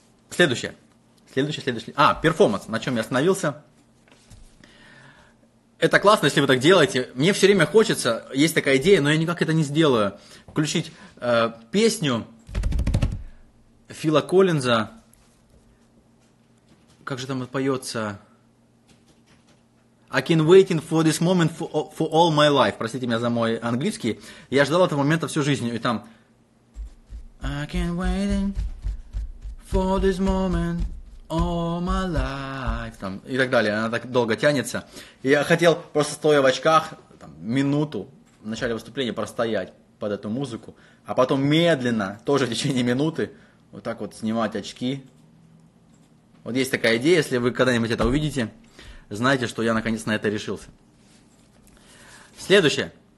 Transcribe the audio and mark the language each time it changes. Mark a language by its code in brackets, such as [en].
[ru] Следующее. Перформанс, на чем я остановился. Это классно, если вы так делаете. Мне все время хочется, есть такая идея, но я никак это не сделаю. Включить песню Фила Коллинза. Как же там вот поется? [en] I can waiting for this moment for all my life. [ru] Простите меня за мой английский. Я ждал этого момента всю жизнь. И там... [en] I can waiting for this moment all my life. [ru] Там, и так далее. Она так долго тянется. Я хотел просто стоя в очках там, минуту в начале выступления простоять под эту музыку. А потом медленно, тоже в течение минуты, вот так вот снимать очки. Вот есть такая идея, если вы когда-нибудь это увидите... Знаете, что я наконец на это решился. Следующее.